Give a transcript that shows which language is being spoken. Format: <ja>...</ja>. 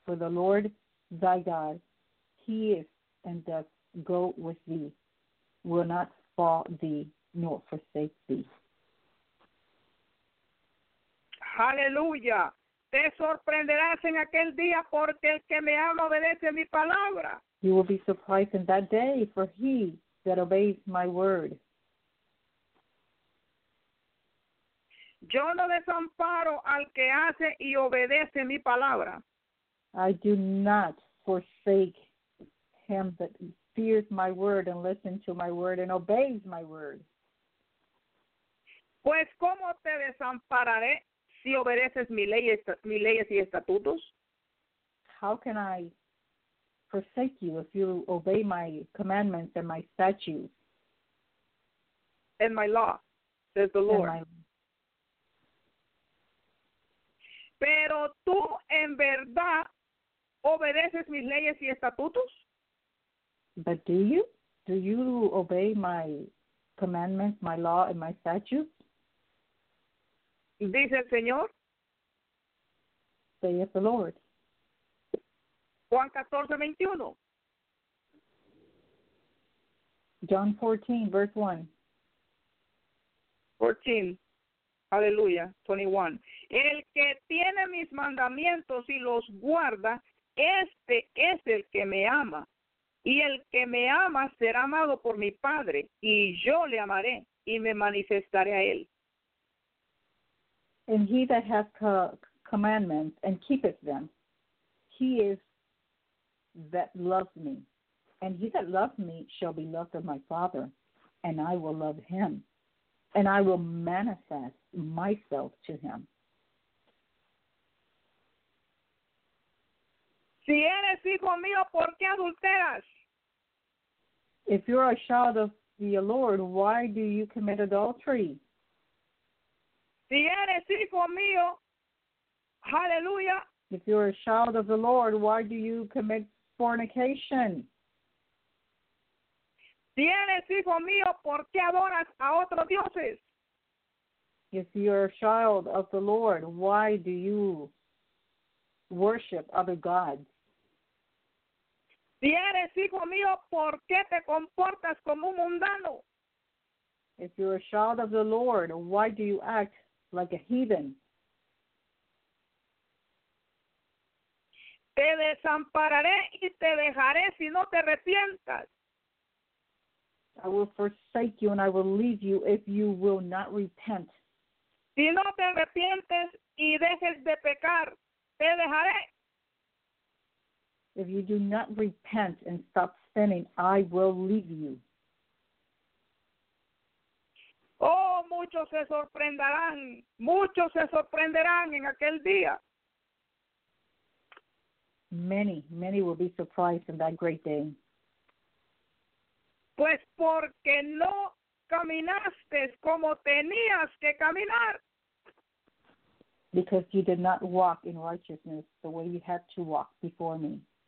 <en>For the Lord thy God, he is and doth go with thee, will not fall thee, nor forsake thee. Hallelujah.</en> <es>Te sorprenderás en aquel día porque el que me ama obedece mi palabra.</es> <en>You will be surprised in that day for he that obeys my word.</en> <es>Yo no desamparo al que hace y obedece mi palabra.</es> <en>I do not forsake him that fears my word and listens to my word and obeys my word.</en> <es>Pues, ¿cómo te desampararé? Si obedeces mis leyes y estatutos.</es> <en>How can I forsake you if you obey my commandments and my statutes? And my law, says the Lord.</en> <es>Pero tú en verdad obedeces mis leyes y estatutos?</es> <en>But do you? Do you obey my commandments, my law, and my statutes?</en> <es>Dice el Señor.</es> <en>Saith the Lord.</en> <es>Juan 14, 21.</es> <en>John 14, verse 1.</en> <es>14. Aleluya. 21. El que tiene mis mandamientos y los guarda, este es el que me ama. Y el que me ama será amado por mi Padre, y yo le amaré y me manifestaré a él.</es> <en>And he that hath commandments and keepeth them, he is that loves me. And he that loves me shall be loved of my Father, and I will love him, and I will manifest myself to him.</en> <es>Si eres hijo mío, ¿por qué adulteras?</es> <en>If you're a child of the Lord, why do you commit adultery?</en> <es>Si eres hijo mío, hallelujah.</es> <en>If you're a child of the Lord, why do you commit fornication?</en> <es>Si eres hijo mío, ¿por qué adoras a otros dioses?</es> <en>If you're a child of the Lord, why do you worship other gods?</en> <es>Si eres hijo mío, ¿por qué te comportas como un mundano?</es> <en>If you're a child of the Lord, why do you act like a heathen?</en> <es>Te desampararé y te dejaré si no te arrepientas.</es> <en>I will forsake you and I will leave you if you will not repent.</en> <es>Si no te arrepientes y dejes de pecar, te dejaré.</es> <en>If you do not repent and stop sinning, I will leave you.</en> <es>Oh, muchos se sorprenderán en aquel día.</es> <en>Many, many will be surprised in that great day.</en> <es>Pues porque no caminaste como tenías que caminar.</es> <en>Because you did not walk in righteousness the way you had to walk before me.</en>